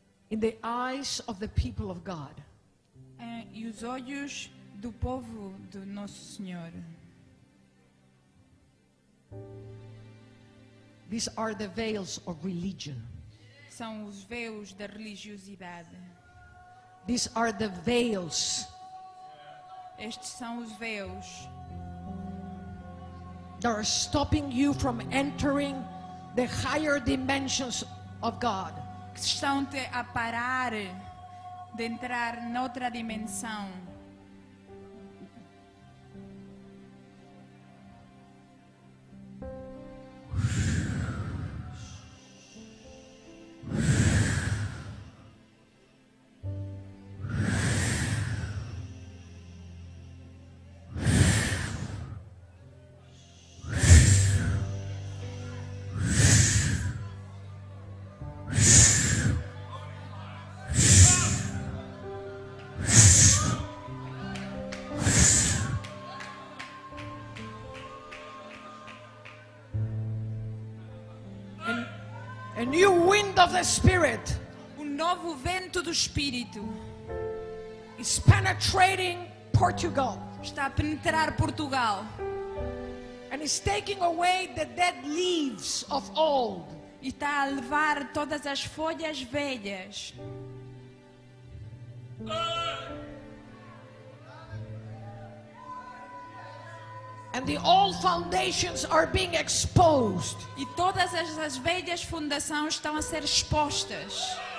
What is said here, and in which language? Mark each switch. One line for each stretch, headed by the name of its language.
English: In the eyes of the people of God.
Portuguese: E os olhos do povo do nosso Senhor.
English: These are the veils of religion.
Portuguese: São os véus da religiosidade.
English: These are the veils.
Portuguese: Estes são os véus.
English: They are stopping you from entering the higher dimensions of God.
Portuguese: Estão-te a parar de entrar noutra dimensão.
English: New wind of the Spirit.
Portuguese: O novo vento do Espírito.
English: Is penetrating Portugal.
Portuguese: Está a penetrar Portugal.
English: And is taking away the dead leaves of old.
Portuguese: E está a levar todas as folhas velhas.
English: And the old foundations are being exposed.
Portuguese: E todas as velhas fundações estão a ser expostas.